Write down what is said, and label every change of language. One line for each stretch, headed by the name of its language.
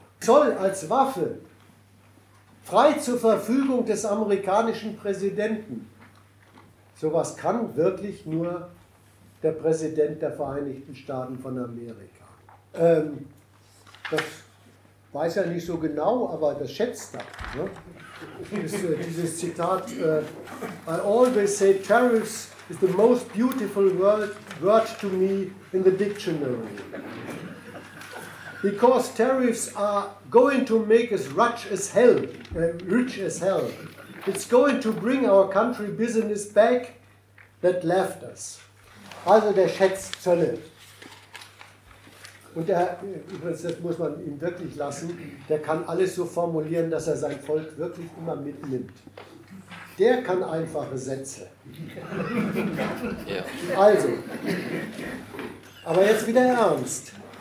German: Zoll als Waffe, frei zur Verfügung des amerikanischen Präsidenten. Sowas kann wirklich nur der Präsident der Vereinigten Staaten von Amerika. Das weiß er nicht so genau, aber das schätzt er. Ne? Dieses Zitat,
English: I always say tariffs is the most beautiful word to me in the dictionary. Because tariffs are going to make us rich as hell. It's going to bring our country business back that left us.
German: Also der schätzt Zölle. Und der, übrigens, das muss man ihm wirklich lassen, der kann alles so formulieren, dass er sein Volk wirklich immer mitnimmt. Der kann einfache Sätze. Ja. Also, aber jetzt wieder ernst.